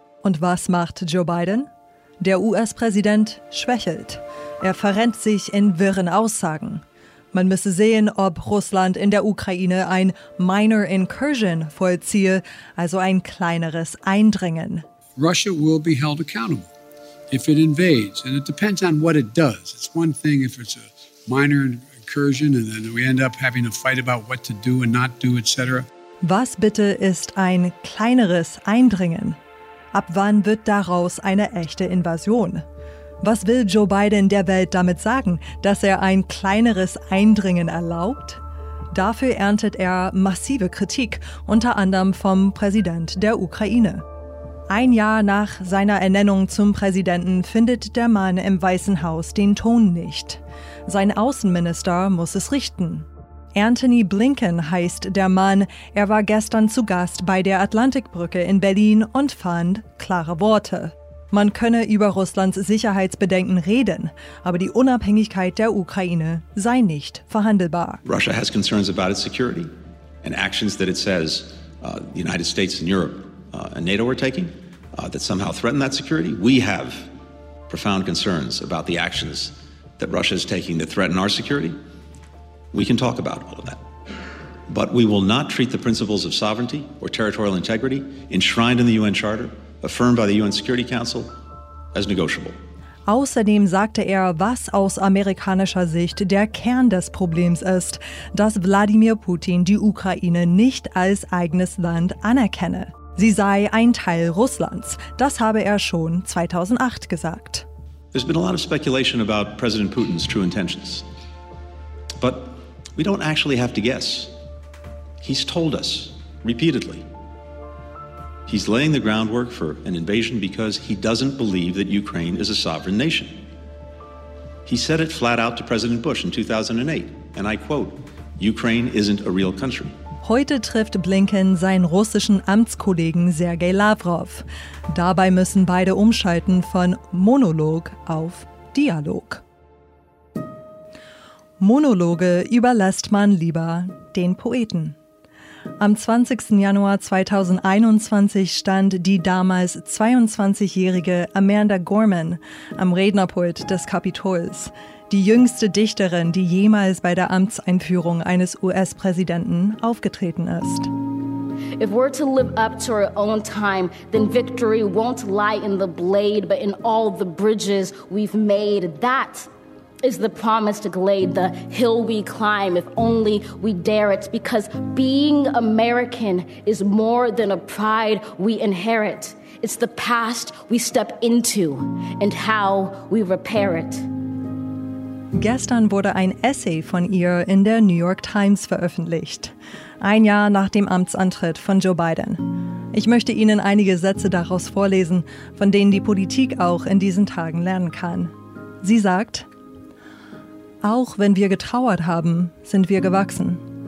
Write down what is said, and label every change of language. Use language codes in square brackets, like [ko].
[de] Und was macht Joe Biden? Der US-Präsident schwächelt. Er verrennt sich in wirren Aussagen. Man müsse sehen, ob Russland in der Ukraine ein [en] minor incursion [de] vollziehe, also ein kleineres Eindringen. [en] Russia will be held accountable if it invades, and it depends on what it does. It's one thing if it's a minor incursion and then we end up having a fight about what to do and not do, etc. [de] Was bitte ist ein kleineres Eindringen? Ab wann wird daraus eine echte Invasion? Was will Joe Biden der Welt damit sagen, dass er ein kleineres Eindringen erlaubt? Dafür erntet er massive Kritik, unter anderem vom Präsident der Ukraine. Ein Jahr nach seiner Ernennung zum Präsidenten findet der Mann im Weißen Haus den Ton nicht. Sein Außenminister muss es richten. Anthony Blinken heißt der Mann. Er war gestern zu Gast bei der Atlantikbrücke in Berlin und fand klare Worte. Man könne über Russlands Sicherheitsbedenken reden, aber die Unabhängigkeit der Ukraine sei nicht verhandelbar. [en] Russia has concerns about its security and actions that it says the United States and Europe and NATO are taking that somehow threaten that security. We have profound concerns about the actions that Russia is taking that threaten our security. We can talk about all of that. But we will not treat the principles of sovereignty or territorial integrity enshrined in the UN Charter, affirmed by the UN Security Council, as negotiable. [de] Außerdem sagte er, was aus amerikanischer Sicht der Kern des Problems ist, dass Wladimir Putin die Ukraine nicht als eigenes Land anerkenne. Sie sei ein Teil Russlands. Das habe er schon 2008 gesagt. [en] There's been a lot of speculation about President Putin's true intentions. But we don't actually have to guess. He's told us repeatedly. He's laying the groundwork for an invasion because he doesn't believe that Ukraine is a sovereign nation. He said it flat out to President Bush in 2008, and I quote, Ukraine isn't a real country. [de] Heute trifft Blinken seinen russischen Amtskollegen Sergei Lavrov. Dabei müssen beide umschalten von Monolog auf Dialog. Monologe überlässt man lieber den Poeten. Am 20. Januar 2021 stand die damals 22-jährige Amanda Gorman am Rednerpult des Kapitols, die jüngste Dichterin, die jemals bei der Amtseinführung eines US-Präsidenten aufgetreten ist. [en] If we're to live up to our own time, then victory won't lie in the blade, but in all the bridges we've made. That is the promised glade, the hill we climb, if only we dare it, because being American is more than a pride we inherit. It's the past we step into and how we repair it. [de] Gestern wurde ein Essay von ihr in der New York Times veröffentlicht, ein Jahr nach dem Amtsantritt von Joe Biden. Ich möchte Ihnen einige Sätze daraus vorlesen, von denen die Politik auch in diesen Tagen lernen kann. Sie sagt: Auch wenn wir getrauert haben, sind wir gewachsen.